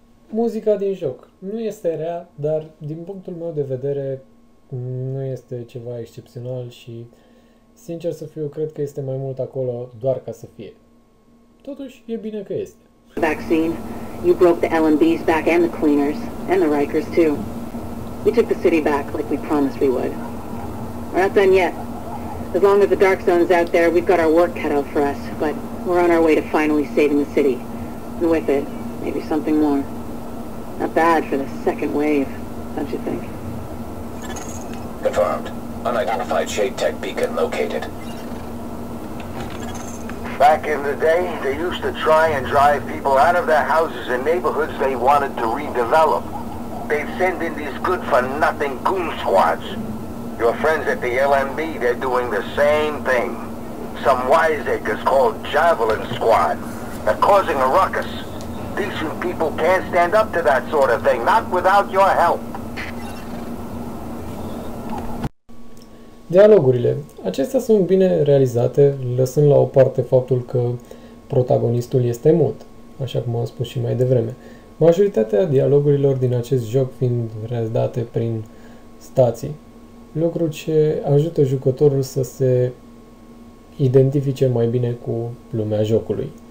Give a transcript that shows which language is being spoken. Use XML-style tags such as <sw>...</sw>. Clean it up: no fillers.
<ro>Muzica din joc nu este rea, dar din punctul meu de vedere nu este ceva excepțional și, sincer să fiu, cred că este mai mult acolo doar ca să fie. Totuși, e bine că este. Vaccine.</ro> <en>You broke the L&B's back and the cleaners and the Rikers too. We took the city back like we promised we would. We're not done yet. As long as the Dark Zone's out there, we've got our work cut out for us, but we're on our way to finally saving the city. And with it, maybe something more. Not bad for the second wave. don't you think? Confirmed. Unidentified Shade Tech beacon located. Back in the day, they used to try and drive people out of their houses and neighborhoods they wanted to redevelop. They'd send in these good-for-nothing goon squads. Your friends at the LMB, they're doing the same thing. Some wiseacres called Javelin Squad. They're causing a ruckus. Decent people can't stand up to that sort of thing, not without your help.</en> <ro>Dialogurile. Acestea sunt bine realizate, lăsând la o parte faptul că protagonistul este mut, așa cum am spus și mai devreme. Majoritatea dialogurilor din acest joc fiind redate prin stații, lucru ce ajută jucătorul să se identifice mai bine cu lumea jocului.</ro>